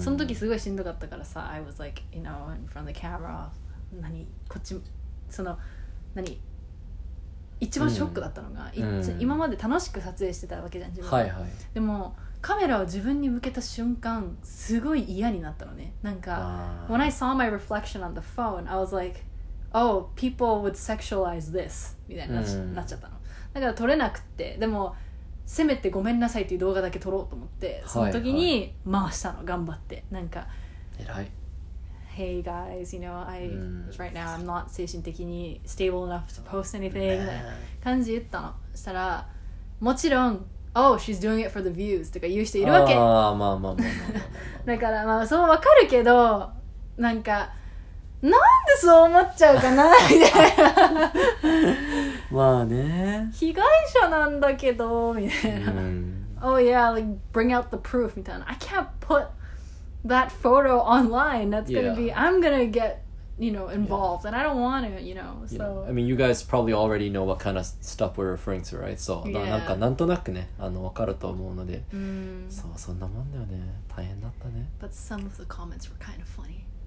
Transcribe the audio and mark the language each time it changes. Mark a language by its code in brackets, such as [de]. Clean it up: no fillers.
[ja] その時すごいしんどかったからさ、 [en] I was like, you know, in front of the camera, [ja] 何こっちその何一番ショックだったのが、mm. 今まで楽しく撮影してたわけじゃん自分。はいはい。でもカメラを自分に向けた瞬間すごい嫌になったのね。なんか、 [en] when I saw my reflection on the phone, I was like, oh, people would sexualize this [ja] みたいになっちゃったの。だから撮れなくて、でもせめてごめんなさいっていう動画だけ撮ろうと思って、その時に回したの、頑張って。なんか、偉い。 [en] Hey guys, you know, I right now I'm not [ja] 精神的に [en] stable enough to post anything [ja] みたいな感じ言ったの。したらもちろん。 [en] Oh, she's doing it for the views [ja] とか言う人いるわけ。ああ、まあまあまあ。だからまあそうわかるけど、なんかなんでそう思っちゃうかなみたいな。まあね。被害者なんだけどみたいな。うん、 [en] oh yeah, like bring out the proof [ja] みたいな。 [en] I can't put that photo online. That's gonna、yeah. be. I'm gonna get. You know, involved,、yeah. and I don't want to, you know. So,、 yeah. I mean, you guys probably already know what kind of stuff we're referring to, right? So, yeah. [ja] なんかなんとなくね、あの、わかると思うので、 mm. そう、そんなもんだよね。大変だったね。 [en] But some of the comments were kind of funny.